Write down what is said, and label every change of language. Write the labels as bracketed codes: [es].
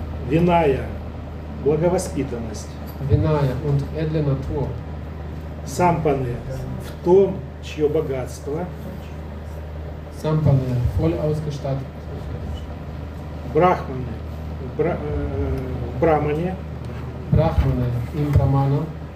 [ru] Виная – благовоспитанность. [de] Виная – und edle Natur. [ru] Сампаны в том, чье богатство. [de] Сампаны voll ausgestattet. [ru] Брахманы в брамане. [de] Брахманы im Brahmana.